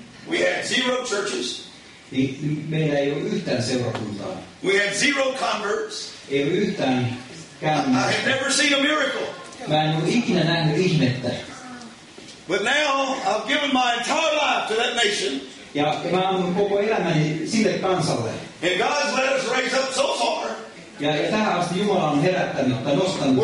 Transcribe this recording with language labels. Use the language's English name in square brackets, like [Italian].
[English] We had zero churches. [Finnish] Meillä ei ole yhtään seurakuntaa. [English] We had zero converts. [Finnish] Ei ole yhtään kääntymistä. [English] I have never seen a miracle. [Finnish] Mä en ole ikinä nähnyt ihmettä. [English] But now I've given my entire life to that nation. [Finnish] Ja mä annan koko elämäni sille kansalle. [English] And God's let us raise up so far. [Finnish] Ja tähän asti Jumala on herättänyt ja nostanut.